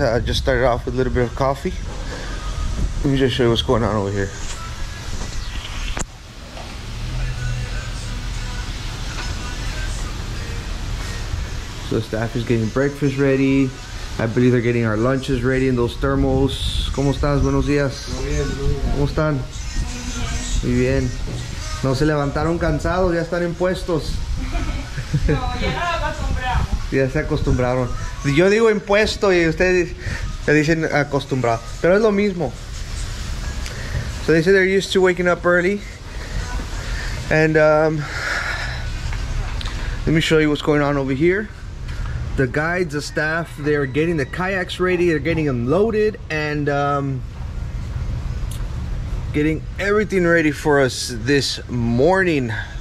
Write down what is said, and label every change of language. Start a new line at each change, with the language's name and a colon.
English: I just started off with a little bit of coffee. Let me just show you what's going on over here. So staff is getting breakfast ready. I believe they're getting our lunches ready in those thermos.
Spanish: ¿Cómo estás? Buenos días. ¿Cómo están? Muy bien. No se levantaron cansados, ya están en puestos. No, ya no lo acostumbramos. Ya se acostumbraron. Yo digo impuesto y ustedes le dicen acostumbrado. Pero es lo mismo.
English: So they said they're used to waking up early. And let me show you what's going on over here. The guides, the staff, they're getting the kayaks ready, they're getting them loaded, and getting everything ready for us this morning.